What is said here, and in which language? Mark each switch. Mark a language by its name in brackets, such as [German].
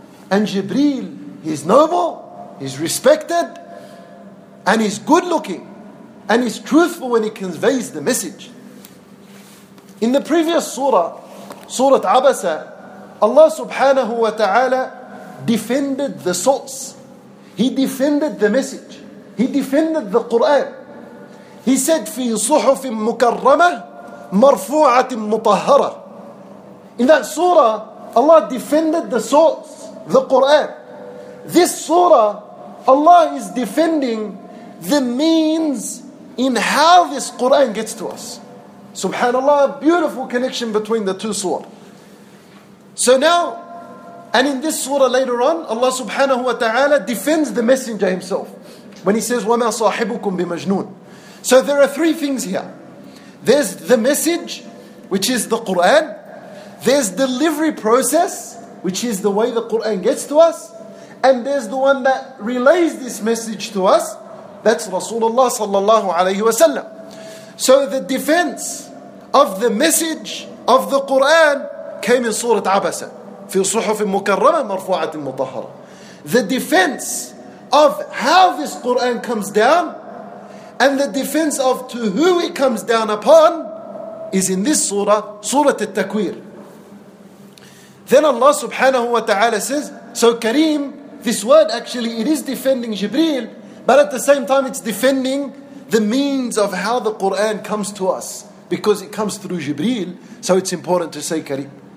[English] And Jibreel, he's noble, he's respected, and he's good looking, and he's truthful when he conveys the message. In the previous surah, Surah Abasa, Allah subhanahu wa ta'ala defended the source. He defended the message. He defended the Quran. He said, [Arabic] "في صحف مكرمة مرفوعة مطهرة." [English] In that surah, Allah defended the source, the Quran. This surah, Allah is defending the means in how this Quran gets to us. Subhanallah, a beautiful connection between the two surah. So now, and in this surah later on, Allah subhanahu wa ta'ala defends the messenger himself when he says, [Arabic] وَمَا صَاحِبُكُمْ بِمَجْنُونَ. [English] So there are three things here. There's the message, which is the Quran. There's delivery process, which is the way the Quran gets to us. And there's the one that relays this message to us. That's Rasulullah sallallahu alayhi wa sallam. So the defense of the message of the Quran came in Surah Abasa. [Arabic] في صحف مكرمة مرفوعة مطهرة. [English] The defense of how this Quran comes down and the defense of to who it comes down upon is in this surah, Surah At-Takwir. Then Allah subhanahu wa ta'ala says, so Kareem, this word actually, it is defending Jibreel, but at the same time it's defending the means of how the Quran comes to us, because it comes through Jibreel, so it's important to say Kareem.